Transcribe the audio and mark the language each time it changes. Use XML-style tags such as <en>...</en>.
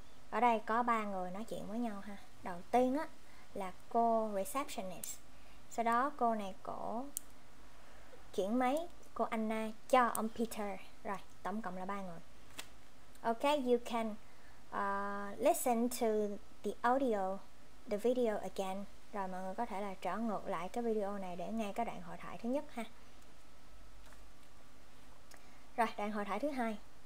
<vi>Ở đây có ba người nói chuyện với nhau ha. Đầu tiên á là cô receptionist. Sau đó cô này cổ chuyển máy cô Anna cho ông Peter. Rồi, tổng cộng là ba người.</vi> <en>Okay, you can listen to the audio, the video again.</en> <vi>Rồi mọi người có thể là trở ngược lại cái video này để nghe cái đoạn hội thoại thứ nhất ha. Rồi, đoạn hội thoại thứ hai.</vi>